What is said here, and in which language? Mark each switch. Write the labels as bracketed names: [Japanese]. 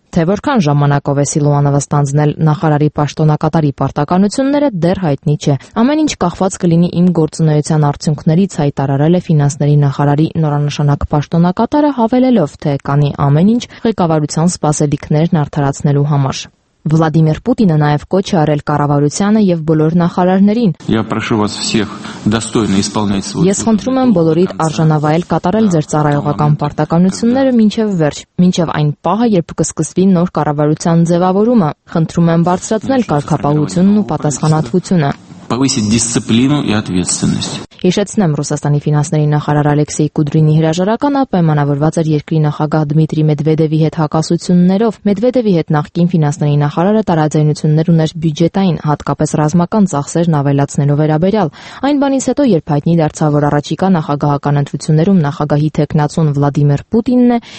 [Armenian] Թե որքան ժամանակով է Սիլուանը վստահնել նախարարի պաշտոնակատարի պարտականությունները, դեռ հայտնի չէ։ Ամեն ինչ կախված կլինի իմ գործունեության արդյունքներից, հայտարարել է ֆինանսների նախարարի նորանշանակ պաշտոնակատարը, հավելելով, թե կանի ամեն ինչ ղեկավարության սպասելիքներն արդարացնելու համար։ Վլադիմիր Պուտինը նաև կոչ է արել կառավարությանը եւ բոլոր նախարարներին. Ես խնդրում եմ բոլորիդ արժանավայել կատարել ձեր ծառայողական պարտականությունները մինչեւ վերջ, մինչեւ այն պահը, երբ կսկսվի նոր կառավարության ձևավորումը։ Խնդրում եմ բարձրացնել կարգապահությունն ու պատասխանատվությունը։ [Russian] Повысить дисциплину и ответственность. [Armenian] Հիշեցնեմ, Ռուսաստանի ֆինանսների նախարար Ալեքսեյ Կուդրինի հրաժարականը պայմանավորված էր երկրի նախագահ Դմիտրի Մեդվեդևի հետ հակասություններով։ Մեդվեդևի հետ նախկին ֆինանսների նախարարը տարաձայնություններ ուներ բյուջետային, հատկապես ռազմական ծախսերն ավելացնելու վերաբերյալ։ Այն բանից հետո, երբ հայտնի դարձավ, որ առաջիկա նախագահական ընտրություններում նախագահի թեկնածուն Վլադիմիր Պուտինն է,